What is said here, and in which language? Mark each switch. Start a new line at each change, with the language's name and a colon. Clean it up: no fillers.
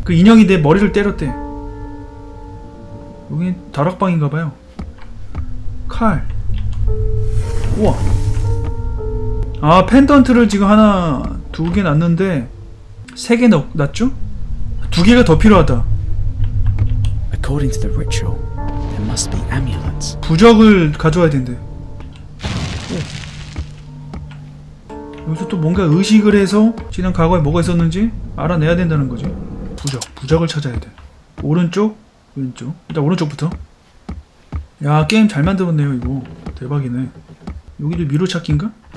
Korean: 그 인형이 내 머리를 때렸대. 여기 다락방인가봐요. 칼. 우와. 아, 펜던트를 지금 하나, 두 개 놨는데, 세 개 놨죠? 두 개가 더 필요하다.
English: According to the ritual, there must be amulets.
Korean: 부적을 가져와야 된대. 오. 여기서 또 뭔가 의식을 해서 지난 과거에 뭐가 있었는지 알아내야 된다는 거지. 부적. 부적을 찾아야 돼. 오른쪽. 왼쪽. 일단 오른쪽부터. 야, 게임 잘 만들었네요, 이거. 대박이네. 여기도 미로찾기인가?